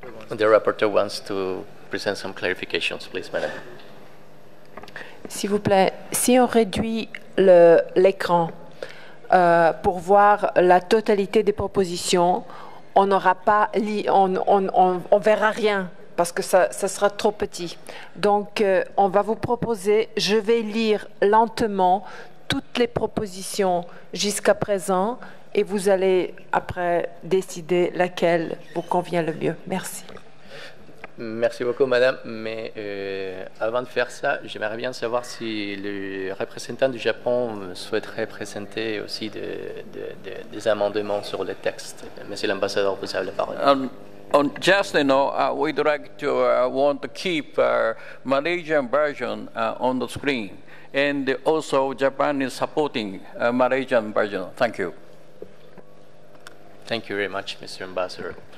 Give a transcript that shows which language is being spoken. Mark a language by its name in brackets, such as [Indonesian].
[English] The rapporteur wants to present some clarifications, please, madam. [French] S'il vous plaît, si on réduit l'écran pour voir la totalité des propositions, on n'aura pas, on verra rien parce que ça sera trop petit. Donc, on va vous proposer, je vais lire lentement toutes les propositions jusqu'à présent et vous allez après décider laquelle vous convient le mieux. Merci. Merci beaucoup, madame. Mais avant de faire ça, j'aimerais bien savoir si le représentant du Japon souhaiterait présenter aussi des amendements sur le texte. Monsieur l'ambassadeur, vous avez la parole. [English] We'd like to want to keep our Malaysian version on the screen. And also, Japan is supporting a Malaysian version. Thank you. Thank you very much, Mr. Ambassador.